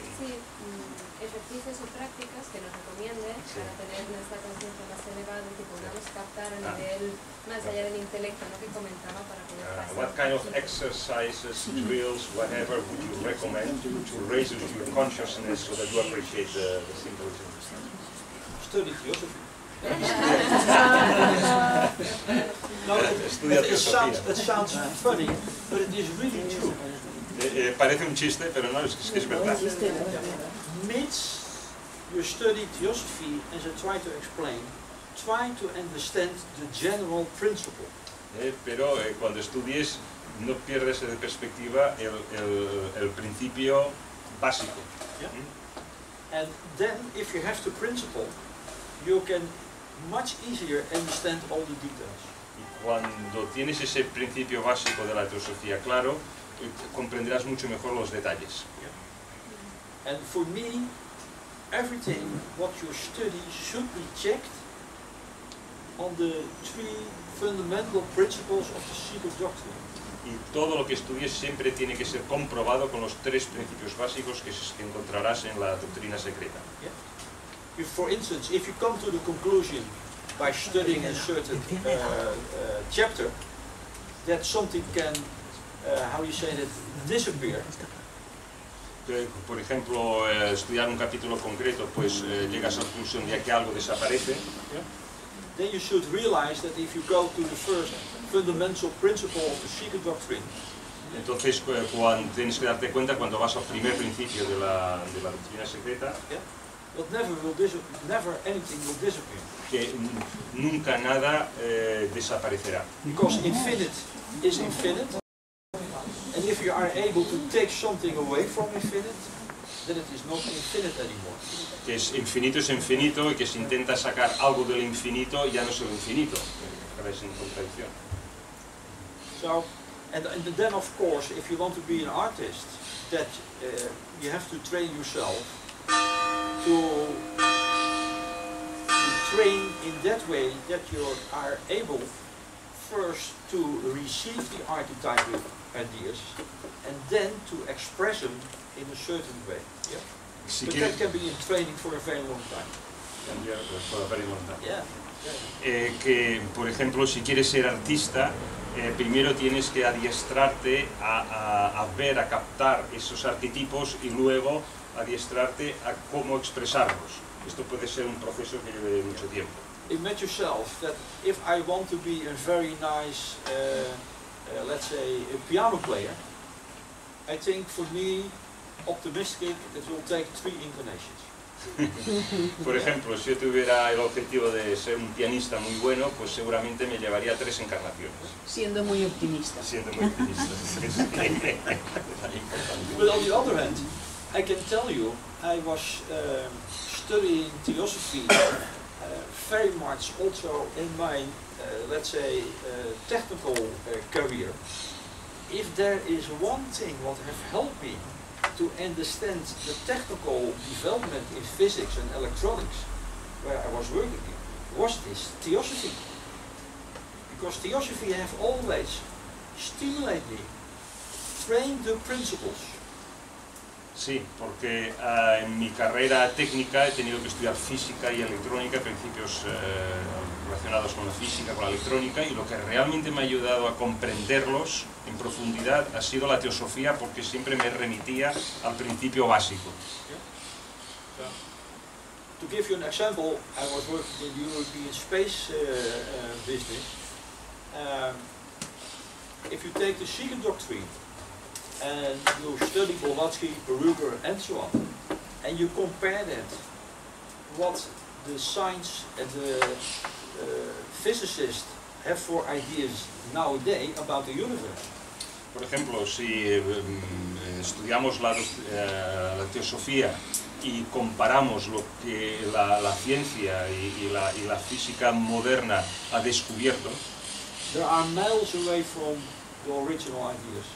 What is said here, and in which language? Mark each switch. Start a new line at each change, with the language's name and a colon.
Spanish: Sí, ejercicios o prácticas que nos recomiende para tener nuestra conciencia más elevada y que podamos captar a nivel más allá del intelecto, ¿no? Que comentaba para poder pasar.
English: What kind of exercises, drills, whatever would you recommend to raise your consciousness so that you appreciate the symbolism? Study philosophy. No, it sounds funny, but it is really true.
Spanish: Parece un chiste, pero no, es verdad.
English: Mids, you study theosophy, as I try to explain, trying to understand the general principle.
Spanish: Pero cuando estudies, no pierdes de perspectiva el principio básico.
English: Yeah. And then, if you have the principle, you can much easier understand all the details.
Spanish: Cuando tienes ese principio básico de la teosofía claro, comprenderás mucho mejor los detalles.
English: Yeah. And for me, everything what you study should be checked on the three fundamental principles of the secret doctrine.
Spanish: Y todo lo que estudies siempre tiene que ser comprobado con los tres principios básicos que encontrarás en la doctrina secreta.
English: Yeah. If, for instance, if you come to the conclusion by studying a certain chapter that something can, how you say that, disappear.
Spanish: Por ejemplo, estudiar un capítulo concreto, pues llegas a la conclusión de que algo desaparece.
English: Yeah. Then you should realize that if you go to the first fundamental principle of the secret doctrine.
Spanish: Entonces, tienes que darte cuenta cuando vas al primer principio de la doctrina secreta.
English: Yeah. But never will disappear. Never anything will disappear.
Spanish: Que nunca nada desaparecerá.
English: Because infinite is infinite. And if you are able to take something away from infinite, then it is not infinite anymore.
Spanish: Que infinito es infinito, y que si intenta sacar algo del infinito, ya no es el infinito. Acabáis en contradicción.
English: So, and then of course, if you want to be an artist, that you have to train yourself to train in that way that you are able first to receive the archetypal ideas and then to express them in a certain way. Yeah.
Spanish: Si
English: but
Spanish: quieres,
English: that can be in training for a very long time. Yeah, for a very long time. Yeah.
Spanish: Que, por ejemplo, si quieres ser artista, primero tienes que adiestrarte a ver, a captar esos arquetipos y luego adiestrarte a cómo expresarlos. Esto puede ser un proceso que lleve mucho tiempo.
English: Imagine yourself that if I want to be a very nice, let's say, a piano player, I think for me, optimistic, it will take three incarnations.
Spanish: Por ejemplo, si yo tuviera el objetivo de ser un pianista muy bueno, pues seguramente me llevaría tres encarnaciones. Siendo muy optimista. Siendo muy optimista.
English: But on the other hand, I can tell you, I was studying theosophy very much also in my, let's say, technical career. If there is one thing what has helped me to understand the technical development in physics and electronics where I was working in, was this theosophy. Because theosophy have always stimulated me, trained the principles.
Spanish: Sí, porque en mi carrera técnica he tenido que estudiar física y electrónica, principios relacionados con la física, con la electrónica, y lo que realmente me ha ayudado a comprenderlos en profundidad ha sido la teosofía, porque siempre me remitía al principio básico.
English: To give you an example, I was working in the European space business. If you take the secret doctrine and you study Blavatsky, Peruger, and so on, and you compare that what the science and the physicists have for ideas nowadays about the universe.
Spanish: Por ejemplo, si estudiamos la teosofía y comparamos lo que la ciencia y la física moderna ha descubierto,
English: there are miles away from the original ideas.